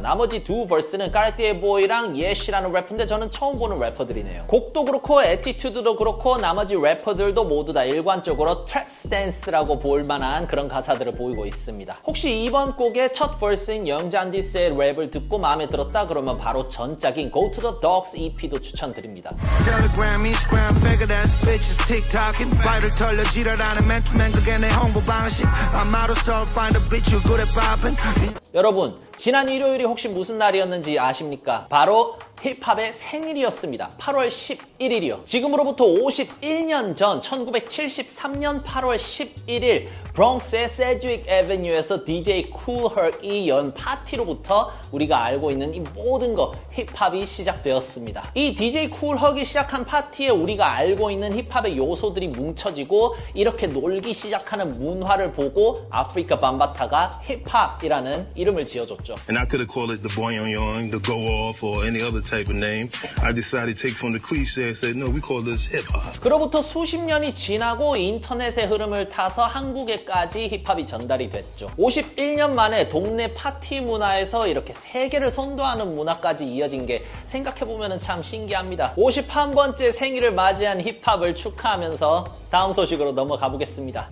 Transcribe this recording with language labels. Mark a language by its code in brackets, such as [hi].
[ko] 나머지 두 벌스는 까르띠에 보이랑 예시라는 래퍼인데 저는 처음 보는 래퍼들이네요. 곡도 그렇고 애티튜드도 그렇고 나머지 래퍼들도 모두 다 일관적으로 trap stance라고 볼 만한 그런 가사들을 보이고 있습니다. 혹시 이번 곡의 첫 verse인 영잔디스의 랩을 듣고 마음에 들었다 그러면 바로 전작인 Go to the Dogs EP도 추천드립니다. Telegram, Instagram, [en] faggot ass bitches, [ko] TikTok인 바이럴 털려 지랄하는 맨투맨 그게 내 홍보 방식 [en] I'm out of soul, find a bitch who good at popping [ko] 여러분 지난 일요일이 혹시 무슨 날이었는지 아십니까? 바로 힙합의 생일이었습니다. 8월 11일이요. 지금으로부터 51년 전 1973년 8월 11일 브롱스의 세드윅 에베뉴에서 DJ 쿨 헐크이 연 파티로부터 우리가 알고 있는 이 모든 것 힙합이 시작되었습니다. 이 DJ 쿨 헐크이 시작한 파티에 우리가 알고 있는 힙합의 요소들이 뭉쳐지고 이렇게 놀기 시작하는 문화를 보고 아프리카 밤바타가 힙합이라는 이름을 지어줬죠. [en] And I could have called it the boyoyoyoy, the go off or any other type of name. I decided to take from the cliché and said no, we call this hip hop. [ko] 그로부터 수십 년이 지나고 인터넷의 흐름을 타서 한국에까지 힙합이 전달이 됐죠. 51년 만에 동네 파티 문화에서 이렇게 세계를 선도하는 문화까지 이어진 게 생각해보면 참 신기합니다. 51번째 생일을 맞이한 힙합을 축하하면서 다음 소식으로 넘어가 보겠습니다.